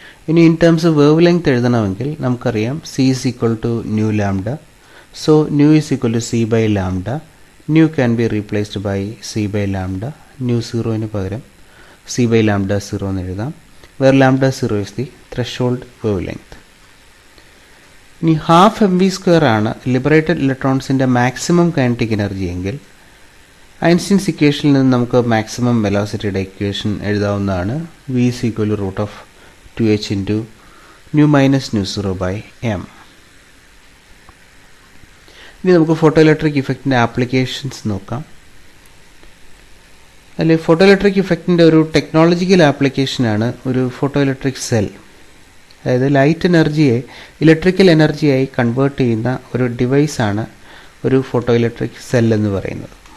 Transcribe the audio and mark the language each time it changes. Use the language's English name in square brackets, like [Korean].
[English] ഇനി in terms wavelength എഴുതണമെങ്കിൽ നമുക്കറിയാം C is equal to nu lambda, so nu is equal to C by lambda, nu can be replaced by C by lambda, [Malayalam] new സീറോയിന് പകരം C by lambda zero എന്ന് എഴുതാം, [English] Where lambda zero is the threshold wave length. [Malayalam] ഇനി half M V square ആണ് liberated ഇലക്ട്രോൺസിൻ്റെ maximum kinetic energy എങ്കിൽ Einstein's ഇക്വേഷനിൽ നിന്ന് നമുക്ക് maximum വെലോസിറ്റിയുടെ equation എഴുതാവുന്നതാണ്. [English] V is equal to root of 2h into nu minus nu 0 by m. [Malayalam] ഇനി നമുക്ക് photoelectric ഇഫക്റ്റിൻ്റെ applications നോക്കാം. അല്ലെ, ഫോട്ടോഇലക്ട്രിക് ഇഫക്റ്റിൻ്റെ ഒരു ടെക്നോളജിക്കൽ ആപ്ലിക്കേഷനാണ് ഒരു ഫോട്ടോഇലക്ട്രിക് സെൽ, അതായത് ലൈറ്റ് എനർജിയെ ഇലക്ട്രിക്കൽ എനർജിയായി കൺവേർട്ട് ചെയ്യുന്ന ഒരു ഡിവൈസാണ് ഒരു ഫോട്ടോഇലക്ട്രിക് സെൽ എന്ന് പറയുന്നത്.